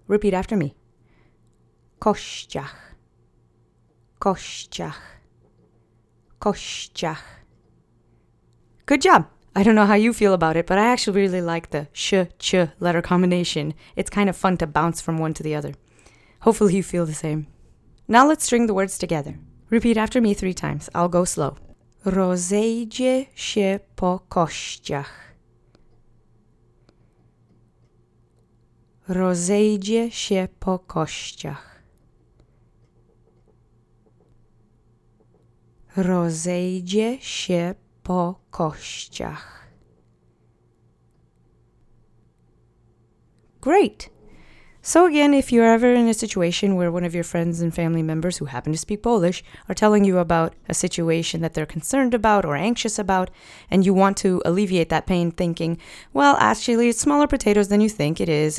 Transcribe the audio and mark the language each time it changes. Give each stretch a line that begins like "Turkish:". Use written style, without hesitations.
English: Repeat after me. Kościach. Kościach. Kościach. Good job. I don't know how you feel about it, but I actually really like the sh-ch letter combination. It's kind of fun to bounce from one to the other. Hopefully you feel the same. Now let's string the words together. Repeat after me three times. I'll go slow.
Polish: Rozejdzie się po kościach. Rozejdzie się po kościach. Rozejdzie się po kościach.
English: Great! So again, if you're ever in a situation where one of your friends and family members who happen to speak Polish are telling you about a situation that they're concerned about or anxious about, and you want to alleviate that pain thinking, well, actually, it's smaller potatoes than you think it is.